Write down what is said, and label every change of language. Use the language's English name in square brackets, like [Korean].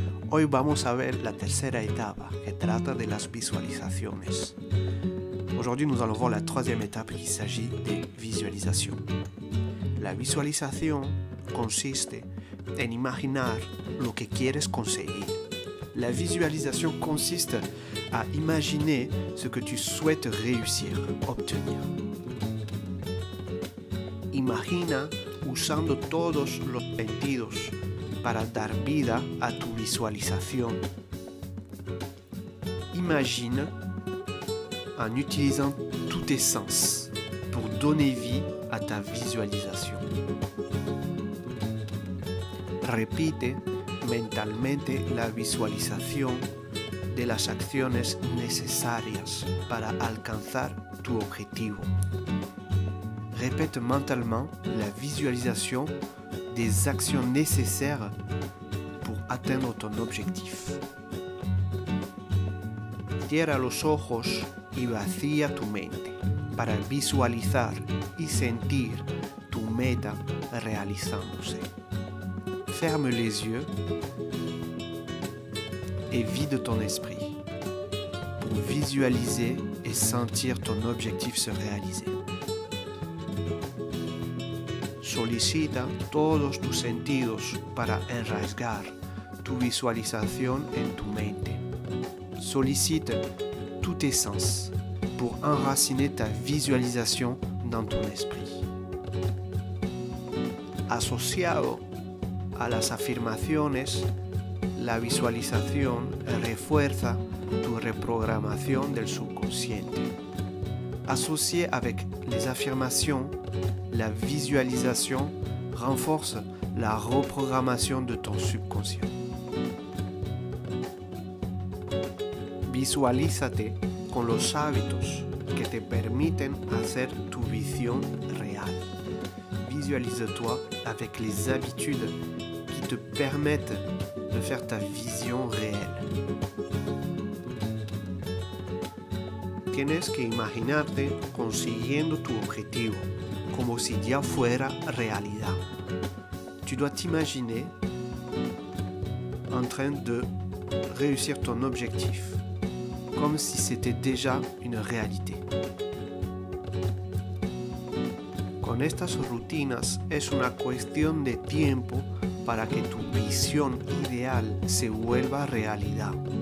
[Spanish] Hoy vamos a ver la tercera [French] étape qui [Spanish] trata de las visualizaciones. [French] Aujourd'hui, nous allons voir la troisième étape qui s'agit des visualisations. [Spanish] La visualización consiste en imaginar lo que quieres conseguir. [French] La visualisation consiste à imaginer ce que tu souhaites réussir, obtenir. [Spanish] Imagina usando todos los sentidos para dar vida a tu visualización. [French] Imagine en utilisant tous tes sens pour donner vie à ta visualisation. [Spanish] Repite mentalmente la visualización de las acciones necesarias para alcanzar tu objetivo. [French] Répète mentalement la visualisation des actions nécessaires pour atteindre ton objectif. [Spanish] Cierra los ojos y vacía tu mente para visualizar y sentir tu meta realizándose. [French] Ferme les yeux et vide ton esprit pour visualiser et sentir ton objectif se réaliser. [Spanish] Solicita todos tus sentidos para enraizar tu visualización en tu mente. [French] Sollicite tous tes sens pour enraciner ta visualisation dans ton esprit. [Spanish] Asociado a las afirmaciones, la visualización refuerza tu reprogramación del subconsciente. [French] Associé avec les affirmations, la visualisation renforce la reprogrammation de ton subconscient. [Spanish] Visualízate con los hábitos que te permiten hacer tu visión real. [French] Visualise-toi avec les habitudes qui te permettent de faire ta vision réelle. [Spanish] Tienes que imaginarte consiguiendo tu objetivo como si ya fuera realidad. [French] Tu dois t'imaginer en train de réussir ton objectif comme si c'était déjà une réalité. [Spanish] Con estas rutinas es una cuestión de tiempo para que tu visión ideal se vuelva realidad.